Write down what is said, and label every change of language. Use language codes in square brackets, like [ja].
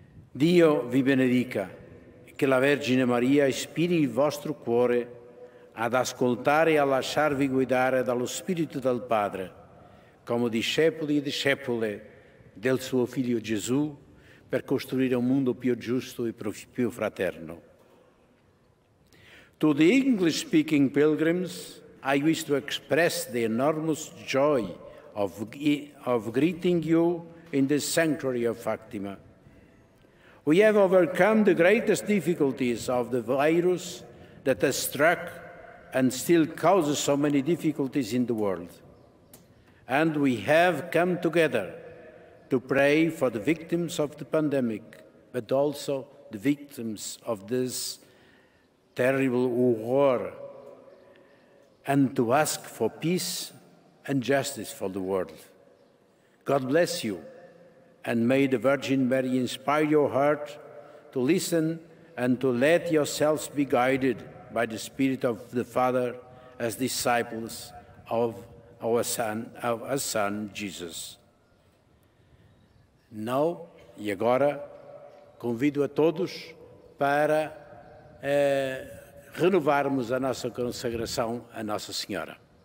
[it] Dio vi benedica e che la Vergine Maria ispiri il vostro cuore ad ascoltare e a lasciarvi guidare dallo Spirito del Padre, come discepoli e discepole del suo Figlio Gesù, per costruire un mondo più giusto e più fraterno. [en] To the English-speaking pilgrims, I wish to express the enormous joy of greeting you in the sanctuary of Fátima. We have overcome the greatest difficulties of the virus that has struck and still causes so many difficulties in the world. And we have come together to pray for the victims of the pandemic, but also the victims of this terrible war, and to ask for peace and justice for the world. God bless you, and may the Virgin Mary inspire your heart to listen and to let yourselves be guided by the Spirit of the Father as disciples of our Son Jesus. Now, [pt] e agora, convido a todos para renovarmos a nossa consagração a Nossa Senhora.